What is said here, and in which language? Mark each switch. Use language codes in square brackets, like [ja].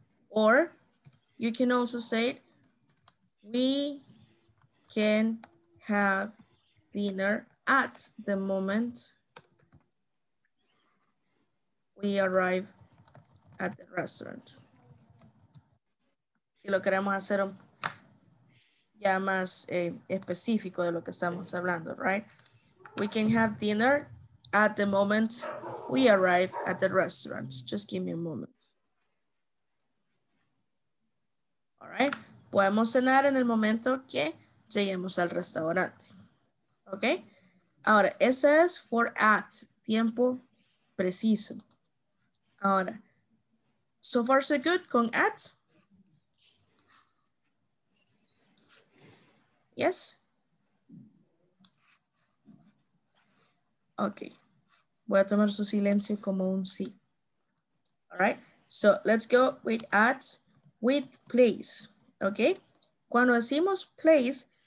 [en] Or, you can also say, we can have dinner at the moment we arrive at the restaurant. [es] Si lo queremos hacer ya más específico de lo que estamos hablando, right? [en] We can have dinner at the moment we arrive at the restaurant. Just give me a moment. All right? [es] Podemos cenar en el momento que lleguemos al restaurante. Okay? Ahora, ese es [en] for at, [es] tiempo preciso. [en] Ahora, so far so good con at. Yes. Okay. [es] Voy a tomar su silencio como un sí. [en] All right. So let's go with at, with place. Okay. [es] Cuando decimos [en] place,